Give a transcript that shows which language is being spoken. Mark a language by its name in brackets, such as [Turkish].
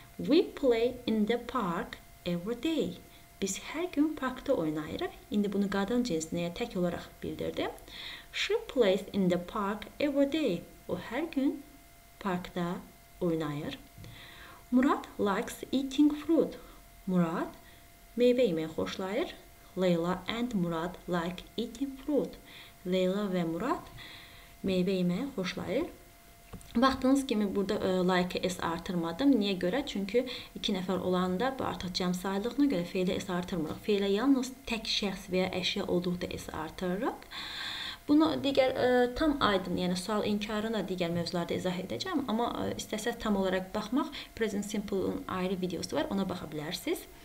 [English] We play in the park every day. [Azerbaijani] Biz hər gün parkda oynayırıq. İndi bunu qadın cinsinəyə tək olaraq bildirdi. [English] She plays in the park every day. [Azerbaijani] O hər gün parkda oynayır. [English] Murad likes eating fruit. [Azerbaijani] Murad meyvə yeməyi xoşlayır. [English] Leyla and Murad like eating fruit. [Azerbaijani] Leyla və Murad meyvə yeməyi xoşlayır. Baxdığınız kimi burada like s artırmadım. Niyə görə? Çünki iki nəfər olanda bu artıq cəm saydığına görə feilə s artırmırıq. Feilə yalnız tək şəxs və ya əşya olduqda s artırırıq. Bunu digər tam aydın, yəni sual inkarına digər mövzularda izah edəcəm. Amma istəsək tam olaraq baxmaq, Present Simple'un ayrı videosu var, ona baxa bilərsiniz.